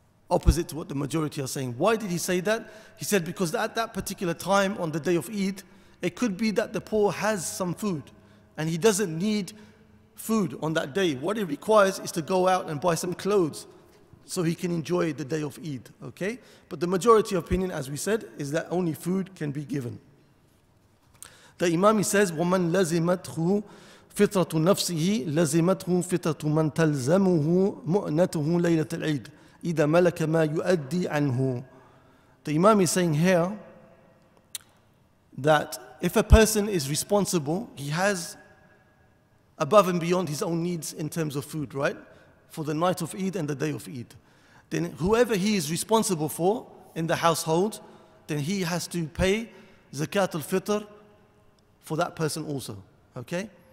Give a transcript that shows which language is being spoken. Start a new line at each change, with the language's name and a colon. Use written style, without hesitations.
English: Opposite to what the majority are saying. Why did he say that? He said, because at that particular time on the day of Eid, it could be that the poor has some food and he doesn't need food on that day. What he requires is to go out and buy some clothes so he can enjoy the day of Eid, okay? But the majority opinion, as we said, is that only food can be given. The Imam, he says,
Arabic: وَمَنْ لَزِمَتْهُ فِطْرَةُ نَفْسِهِ لَزِمَتْهُ فِطْرَةُ مَنْ تَلْزَمُهُ مُؤْنَتُهُ لَيْلَةَ الْعِيدِ إِذَا مَلَكَ مَا يُؤَدِّي عَنْهُ.
English: The Imam is saying here that if a person is responsible, he has above and beyond his own needs in terms of food, right? For the night of Eid and the day of Eid. Then whoever he is responsible for in the household, then he has to pay Zakat al-Fitr for that person also, okay?